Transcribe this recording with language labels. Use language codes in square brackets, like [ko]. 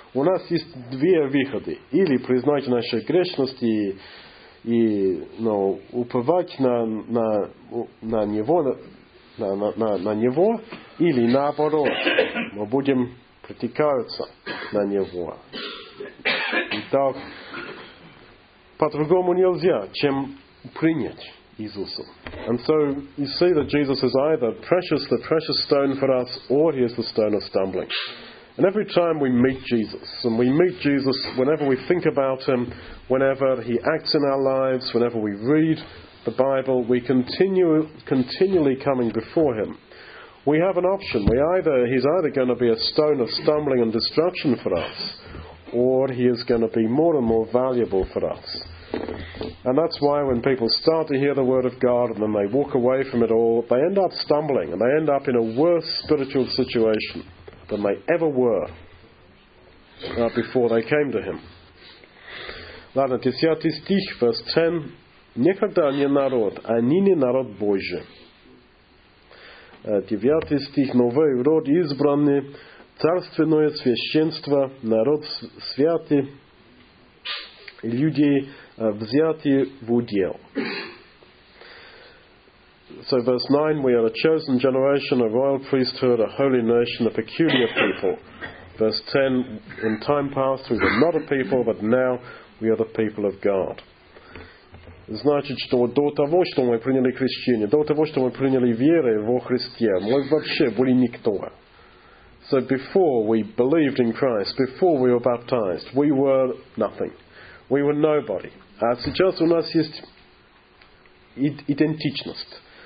[ru] У нас есть две выходы. Или признать наши грешности и, ну, уповать на Него, или наоборот, мы будем притекаться на Него. Итак, по-другому нельзя, чем принять Иисусу. [en] And so you see that Jesus is either precious, the precious stone for us, or He is the stone of stumbling. And every time we meet Jesus, and we meet Jesus whenever we think about Him, whenever He acts in our lives, whenever we read the Bible, we continually coming before Him. We have an option. He's either going to be a stone of stumbling and destruction for us, or He is going to be more and more valuable for us. And that's why when people start to hear the word of God and then they walk away from it all, they end up stumbling and they end up in a worse spiritual situation than they ever were before they came to Him. [ru] Ладно, 10 стих, [en] verse 10. [ru] Никогда не народ, они не народ Божий. 9 стих, новый род избранный, царственное священство, народ святый. люди взяты в удел. [en] So verse 9, we are a chosen generation, a royal priesthood, a holy nation, a peculiar people. Verse 10, in time past we were not a people, but now we are the people of God. [ru] Значит, что до того, что мы приняли крещение, до того, что мы приняли веру во Христе, мы вообще были никто. [en] So before we believed in Christ, before we were baptized, we were nothing. We were nobody. [ru] А сейчас у нас есть идентичность.